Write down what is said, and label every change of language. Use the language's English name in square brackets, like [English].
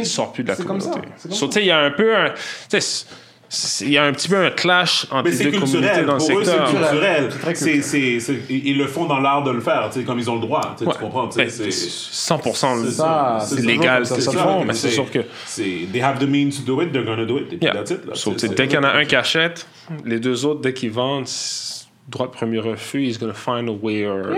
[French] il sort plus de la communauté. Comme ça. Il y a un petit peu un clash entre les deux communautés dans le secteur. Pour eux, c'est culturel. C'est, ils le font dans l'art de le faire, tu sais, comme ils ont le droit. Ouais. Tu comprends? Ben, c'est 100% c'est légal ce qu'ils font, mais c'est sûr que. [English] They have the means to do it, they're going to do it. That's it. [French] Dès qu'il y en a un qui achète, les deux autres, dès qu'ils vendent, droit de premier refus, [English] he's gonna find a way or...